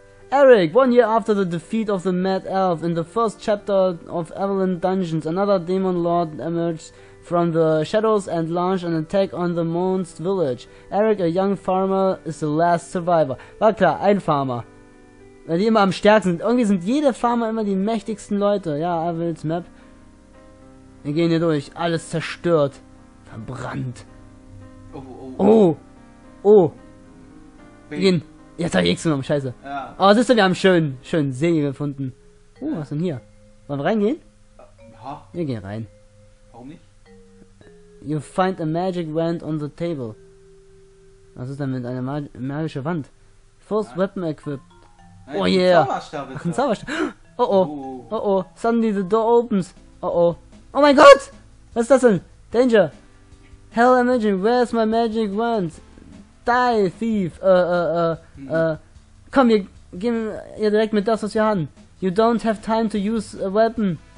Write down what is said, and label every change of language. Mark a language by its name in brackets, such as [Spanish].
[English] Eric, 1 year after the defeat of the Mad Elf, in the first chapter of Avalanche Dungeons, another Demon Lord emerged from the shadows and launch an attack on the Moon's village. Eric, a young farmer, is the last survivor. [German] War klar, ein Farmer. Weil die immer am stärksten sind. Irgendwie sind jede Farmer immer die mächtigsten Leute. Ja, Avils Map. Wir gehen hier durch. Alles zerstört. Verbrannt. Oh. Wir gehen. Jetzt hab ich X genommen, scheiße. Ja. Oh, siehst du, wir haben schönen See gefunden. Was ist denn hier? Wollen wir reingehen? Ja. Wir gehen rein. Warum nicht? [English] You find a magic wand on the table. [German] Was ist denn mit einer magischen Wand? [English] First weapon equipped. [German] Nein, [English] oh yeah. [German] Ein Zauberstab. [English] Oh oh. Oh oh. Suddenly the door opens. Oh oh. [German] Oh mein Gott! Was ist das denn? [English] Danger. Hell imagine, where's my magic wand? Die, thief. [German] Komm, wir gehen hier direkt mit das, was wir haben. [English] You don't have time to use a weapon.